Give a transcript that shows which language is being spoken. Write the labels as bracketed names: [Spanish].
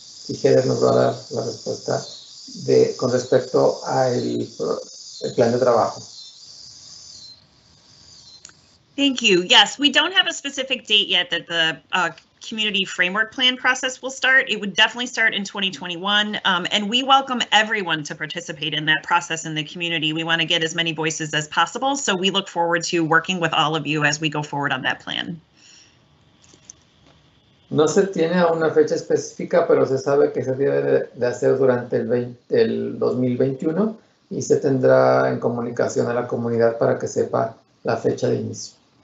[Spanish] Y Heather nos va a dar la respuesta con respecto al plan de trabajo. [English] Thank you. Yes, we don't have a specific date yet that the community framework plan process will start. It would definitely start in 2021. And we welcome everyone to participate in that process in the community. We want to get as many voices as possible. So we look forward to working with all of you as we go forward on that plan. [Spanish] No se tiene una fecha específica, pero se sabe que se debe de hacer durante el 2021 y se tendrá en comunicación a la comunidad para que sepa la fecha de inicio.